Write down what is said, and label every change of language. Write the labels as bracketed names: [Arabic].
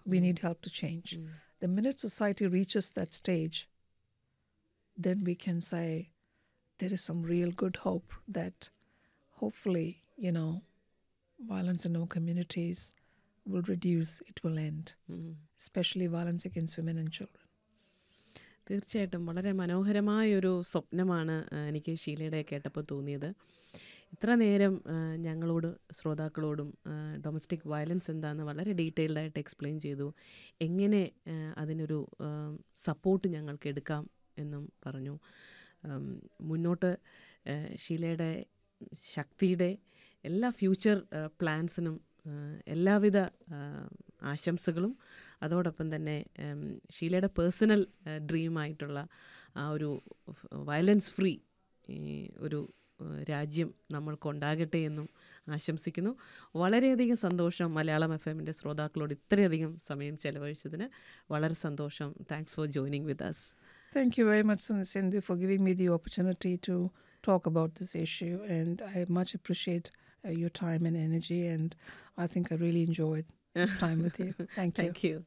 [English] We need help to change. The minute society reaches that stage, then we can say there is some real good hope that hopefully, you know, violence in our communities will reduce, it will end, especially violence against women and children. [Malayalam] തീർച്ചയായിട്ടും വളരെ മനോഹരമായ ഒരു സ്വപ്നമാണ് എനിക്ക് ഷീലയുടെ കേട്ടപ്പോൾ തോന്നിയത്. ഇത്ര നേരം ഞങ്ങളോട് ശ്രോതാക്കളോടും ഡൊമസ്റ്റിക് വയലൻസ് എന്താണെന്ന് വളരെ ഡീറ്റെയിൽഡായിട്ട് എക്സ്പ്ലെയിൻ ചെയ്തു. എങ്ങനെ അതിനൊരു സപ്പോർട്ട് ഞങ്ങൾക്ക് എടുക്കാം എന്നും പറഞ്ഞു. മുന്നോട്ട് ഷീലയുടെ ശക്തിയുടെ എല്ലാ ഫ്യൂച്ചർ പ്ലാൻസിനും എല്ലാവിധ ആശംസകളും, അതോടൊപ്പം തന്നെ ഷീലയുടെ പേഴ്സണൽ ഡ്രീമായിട്ടുള്ള ആ ഒരു വയലൻസ് ഫ്രീ ഒരു രാജ്യം നമ്മൾക്കുണ്ടാകട്ടെ എന്നും ആശംസിക്കുന്നു. വളരെയധികം സന്തോഷം മലയാളം എഫ് എമ്മിൻ്റെ ശ്രോതാക്കളോട് ഇത്രയധികം സമയം ചെലവഴിച്ചതിന് വളരെ സന്തോഷം. [English] Thanks for joining with us. Thank you very much, Sindhu, for giving me the opportunity to talk about this issue. And I much appreciate your time and energy. And I think I really enjoyed this time with you. Thank you.